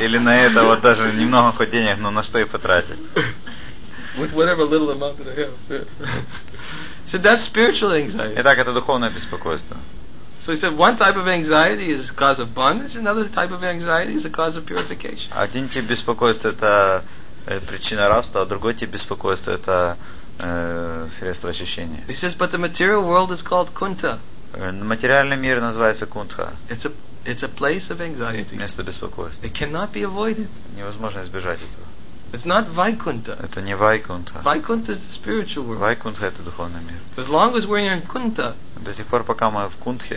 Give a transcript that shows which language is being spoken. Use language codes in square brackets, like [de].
[ru] Или на это вот даже немного хоть денег, но на что и потратить? [en] With whatever little amount that I have. So that's spiritual anxiety. [ru] Итак, это духовное беспокойство. [en] So he said one type of anxiety is a cause of bondage, another type of anxiety is a cause of purification. [ru] Один тип беспокойства это причина рабства, а другой тип беспокойства это средство очищения. [en] He says, but the material world is called Kunta. [ru] Материальный мир называется Кунтха. [en] It's a place of anxiety. [ru] Место беспокойства. [en] It cannot be avoided. [ru] Невозможно избежать этого. [en] It's not Vaikuntha. [ru] Это не Вайкунтха. [en] Vaikuntha is the spiritual world. [ru] Вайкунтха это духовный мир. [en] As long as we're in Kunta. [ru] До тех пор, пока мы в Кунтхе.